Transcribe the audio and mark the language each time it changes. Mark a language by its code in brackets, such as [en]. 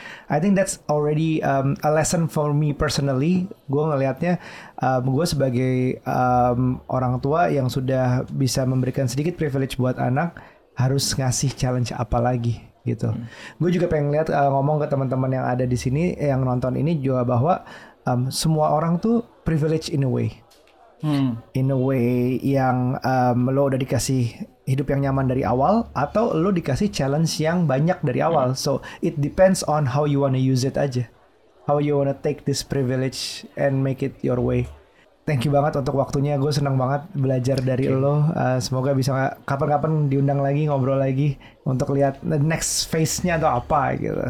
[en] I think that's already a lesson for me personally. [id] Gue ngelihatnya, gue sebagai orang tua yang sudah bisa memberikan sedikit privilege buat anak, harus ngasih challenge apa lagi? Gitu. Gue juga pengen lihat ngomong ke teman-teman yang ada di sini yang nonton ini juga bahwa semua orang tuh [en] privilege in a way. In a way [id] yang lo udah dikasih hidup yang nyaman dari awal atau lo dikasih challenge yang banyak dari awal. [en] So it depends on how you wanna use it aja. How you wanna take this privilege and make it your way. Thank you [id] banget untuk waktunya. Gue senang banget belajar dari lo. Semoga bisa kapan-kapan diundang lagi, ngobrol lagi untuk lihat [en] the next phase- [id] nya atau apa gitu.